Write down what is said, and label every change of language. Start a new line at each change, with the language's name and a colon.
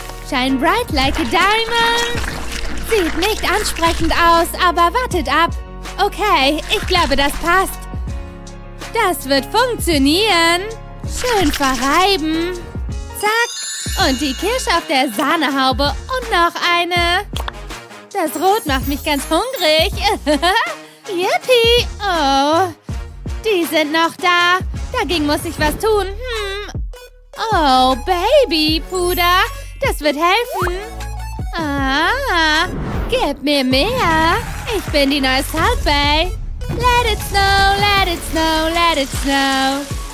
English: Shine bright like a diamond.
German: Sieht nicht ansprechend aus, aber wartet ab. Okay, ich glaube, das passt. Das wird funktionieren. Schön verreiben. Zack. Und die Kirsche auf der Sahnehaube. Und noch eine. Das Rot macht mich ganz hungrig. Yippie. Oh. Die sind noch da. Dagegen muss ich was tun. Hm. Oh, Babypuder. Das wird helfen. Ah. Gib mir mehr. Ich bin die neue South Bay.
English: Let it snow, let it snow, let it snow.